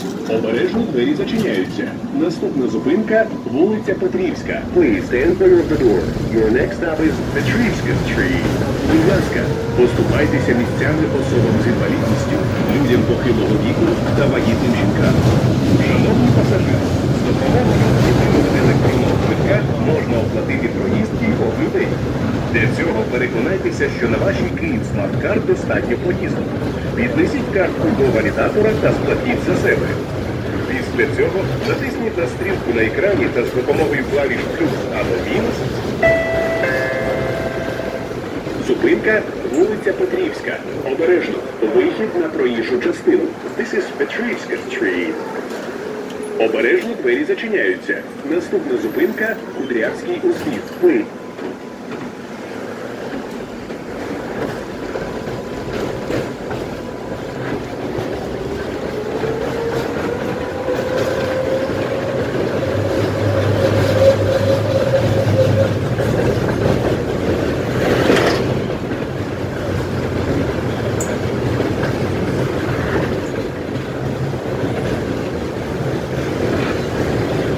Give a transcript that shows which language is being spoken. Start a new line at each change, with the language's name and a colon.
Ukrainian: Обережно двері зачиняються. Наступна зупинка – вулиця Петрівська.
English: Please stand clear of the door. Your next stop is Petrivska Street.
Ukrainian: Будь ласка, поступайтеся місцями особам з інвалідністю, людям похилого віку та вагітним жінкам. Шановні пасажири, з допомогою єдиного електронного квитка можна оплатити проїзд кількох людей. Для цього переконайтеся, що на вашій Київ-смарт-карт достатньо проїзду. Піднесіть картку до валідатора та сплатіть за себе. Для цього натисніть на стрілку на екрані та з допомогою клавіш «плюс» або «мінус». Зупинка – вулиця Петрівська. Обережно, вихід на проїжджу частину.
English: This is Petrivska Street.
Ukrainian: Обережно, двері зачиняються. Наступна зупинка – Кудрявський узвіз.
English: Thank you.